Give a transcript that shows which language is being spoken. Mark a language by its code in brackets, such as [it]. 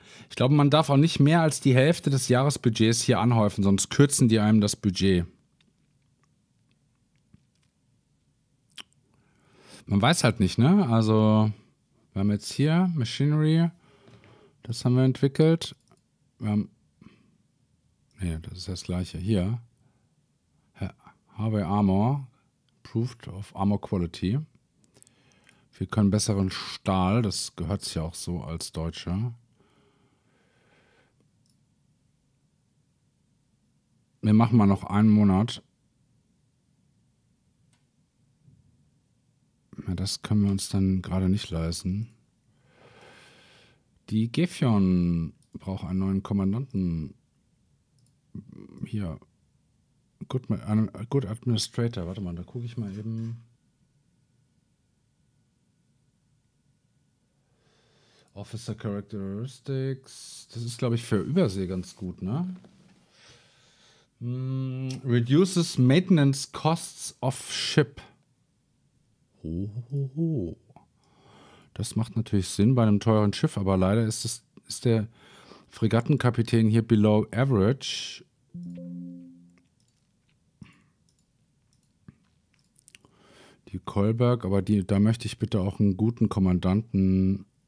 [de] Ich glaube, man darf auch nicht mehr als die Hälfte des Jahresbudgets hier anhäufen, sonst kürzen die einem das Budget. Man weiß halt nicht, ne? Also, wir haben jetzt hier Machinery, das haben wir entwickelt. Wir haben, ne, das ist das gleiche hier. [en] Harvey Armor, Proved of Armor Quality. [de] Wir können besseren Stahl, das gehört sich ja auch so als Deutscher. Wir machen mal noch einen Monat. Ja, das können wir uns dann gerade nicht leisten. Die Gefion braucht einen neuen Kommandanten. Hier. [en] Good Administrator. [de] Warte mal, da gucke ich mal eben. [en] Officer Characteristics. [de] Das ist, glaube ich, für Übersee ganz gut, ne? [en] Reduces maintenance costs of ship. Hohoho. [de] Das macht natürlich Sinn bei einem teuren Schiff, aber leider ist der Fregattenkapitän hier [en] below average. [de] Die Kolberg, aber da möchte ich bitte auch einen guten Kommandanten.